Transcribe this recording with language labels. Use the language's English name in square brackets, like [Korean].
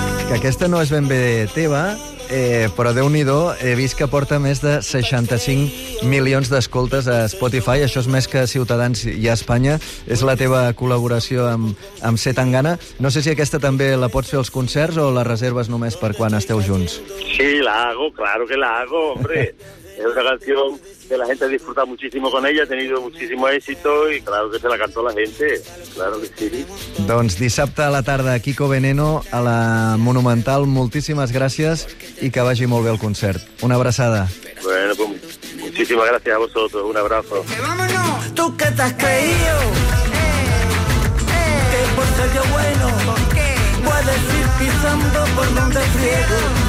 [Catalan] Que aquesta no és ben bé teva, però déu-n'hi-do, he vist que porta més de 65 milions d'escoltes a Spotify. Això és més que Ciutadans i Espanya. És la teva col·laboració amb C. Tangana. No sé si aquesta també la pots fer als concerts o la reserves només per quan esteu junts. [Spanish] Sí, la hago, claro que la hago, hombre. Es una canción que la gente ha disfrutado muchísimo con ella, ha tenido muchísimo éxito y claro que se la cantó la gente, claro que sí. [Catalan] Doncs dissabte a la tarda, Quico Veneno, a la Monumental, moltíssimes gràcies i que vagi molt bé el concert. Una abraçada. [Spanish] Bueno, pues muchísimas gracias a vosotros, un abrazo. Vámonos, tú que te has creído, que por ser yo bueno, puedes ir pisando por donde friego.